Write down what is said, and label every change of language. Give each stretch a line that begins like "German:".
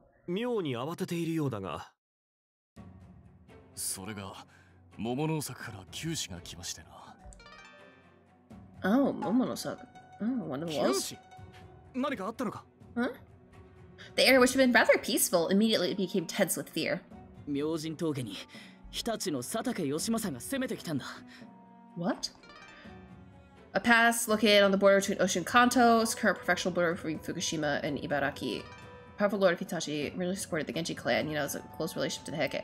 Japanese: 妙に慌てているようだが。それが、桃の作から九死が来ましてな。
English: Oh, 桃の作。Oh, wonder what? 九死?
Japanese: 何かあったのか?
English: Huh? The air, which had been rather peaceful, immediately became tense with fear.
Japanese: 明神峠に日立の佐竹義政が攻めてきたんだ。
English: What? A pass located on the border between Ocean Kanto, current prefectural border between Fukushima and Ibaraki. Powerful Lord of Hitachi really supported the Genji clan, you know, as a close relationship to the Heike.